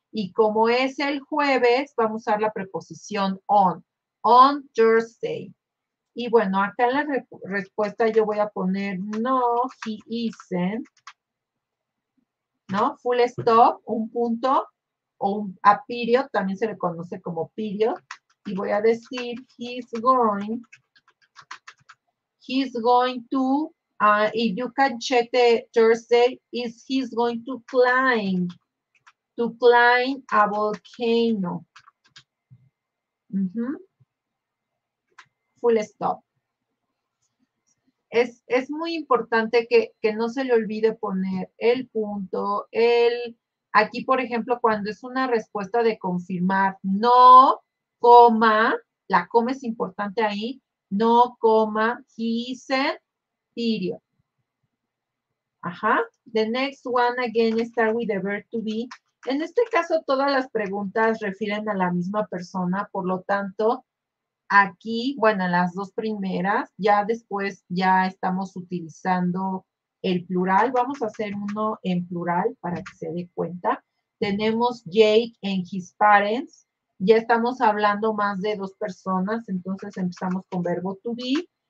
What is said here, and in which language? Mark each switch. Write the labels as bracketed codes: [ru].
[es] Y como es el jueves, vamos a usar la preposición on Thursday. Y bueno, acá en la respuesta yo voy a poner [en] no, he isn't, [es] ¿no? Full stop, un punto, o a period, también se le conoce como period. Y voy a decir [en] he's going to, if you can check the Thursday, is he's going to climb a volcano. Mm-hmm. Full stop. [es] Es muy importante que no se le olvide poner el punto, aquí, por ejemplo, cuando es una respuesta de confirmar, no, coma, la coma es importante ahí, no, coma, he said, period. Ajá. [en] The next one, again, start with the verb to be. [es] En este caso, todas las preguntas refieren a la misma persona, por lo tanto, aquí, bueno, las dos primeras, ya después ya estamos utilizando el plural. Vamos a hacer uno en plural para que se dé cuenta. Tenemos Jake and his parents. Ya estamos hablando más de dos personas, entonces empezamos con verbo to be.